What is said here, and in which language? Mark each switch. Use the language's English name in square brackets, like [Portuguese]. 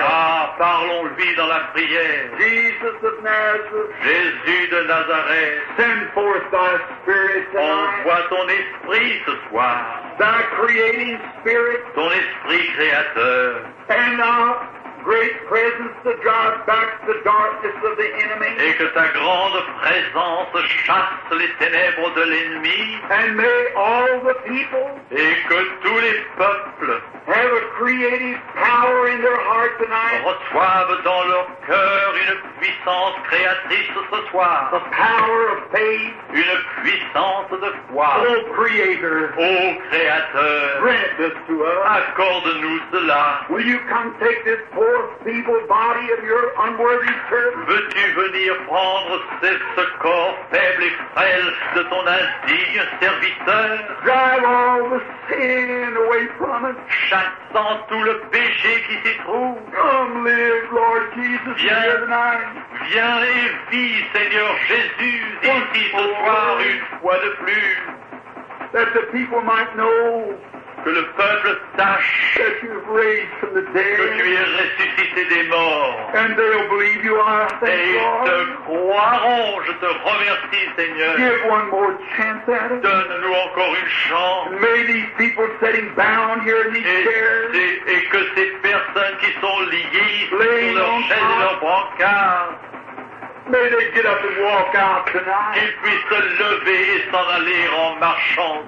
[French] Ah, parlons-lui dans la prière. [English] Jesus of Nazareth. [French] Jésus de Nazareth. [English] Send forth thy spirit tonight. [French] Envoie ton esprit ce soir. [English] Thy creating spirit. [French] Ton esprit créateur. [English] And great presence to drive back the darkness of the enemy. [French] Et que ta grande présence chasse les ténèbres de l'ennemi. [English] And may all the people. [French] Et que tous les peuples. [English] Have a creative power in their heart tonight. [French] Reçoivent dans leur cœur une puissance créatrice ce soir. [English] The power of faith. [French] Une puissance de foi. [English] O Creator. [French] Ô Créateur. [English] Grant this to us. [French] Accorde-nous cela. [English] Will you come take this poor feeble body of your unworthy servant. [French] Veux-tu venir prendre ce corps faible et frêle de ton indigne serviteur? [English] Drive all the sin away from us. [French] Chassant tout le péché qui s'y trouve. [English] Come live, Lord Jesus, [French] viens, [English] here tonight. [French] Viens et vis, Seigneur Jésus, ici ce soir une fois de plus. [English] That the people might know. [French] Que le peuple sache que tu es ressuscité des morts. [English] And they'll believe you are, thank [French] et [English] God. [French] Te croiront, je te remercie, Seigneur. [English] Give one more chance at it. [French] Donne-nous encore une chance. [English] May these people sitting bound here in these chairs. [French] Et que ces personnes qui sont liées sur leurs chaises et leurs brancards. [English] May they get up and walk out tonight. [French] Qu'ils puissent se lever et s'en aller en marchant.